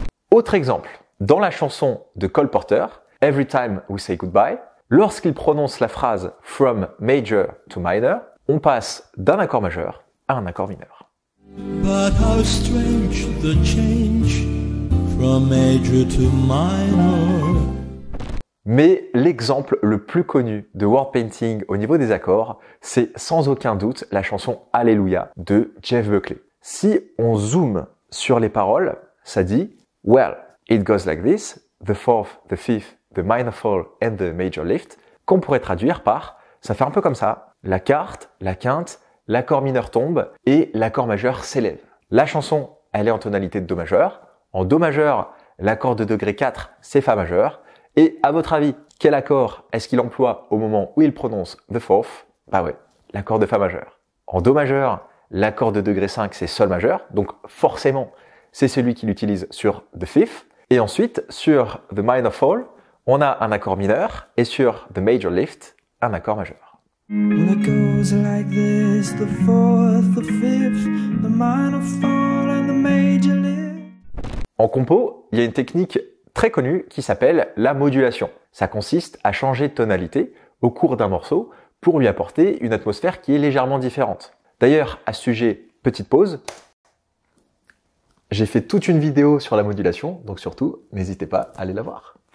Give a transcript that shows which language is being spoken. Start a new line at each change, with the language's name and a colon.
French: Autre exemple, dans la chanson de Cole Porter, Every Time We Say Goodbye, lorsqu'il prononce la phrase
English: From Major to Minor,
French: on passe d'un accord majeur à un accord mineur.
English: But how strange the change from major to minor.
French: Mais l'exemple le plus connu de world painting au niveau des accords, c'est sans aucun doute la chanson Alléluia de Jeff Buckley. Si on zoome sur les paroles, ça dit «
English: Well, it goes like this, the fourth, the fifth, the minor fall and the major lift
French: », qu'on pourrait traduire par « ça fait un peu comme ça, la quarte, la quinte, l'accord mineur tombe et l'accord majeur s'élève ». La chanson, elle est en tonalité de Do majeur. En Do majeur, l'accord de degré 4, c'est Fa majeur. Et à votre avis, quel accord est-ce qu'il emploie au moment où il prononce
English: the fourth?
French: Bah ouais, l'accord de Fa majeur. En Do majeur, l'accord de degré 5, c'est Sol majeur. Donc forcément, c'est celui qu'il utilise sur
English: the fifth.
French: Et ensuite, sur
English: the minor fall,
French: on a un accord mineur. Et sur
English: the major lift,
French: un accord majeur.
English: When it goes like this, the fourth, the fifth, the minor fall and the major lift.
French: En compo, il y a une technique très connue qui s'appelle la modulation. Ça consiste à changer de tonalité au cours d'un morceau pour lui apporter une atmosphère qui est légèrement différente. D'ailleurs, à ce sujet, petite pause, j'ai fait toute une vidéo sur la modulation, donc surtout, n'hésitez pas à aller la voir.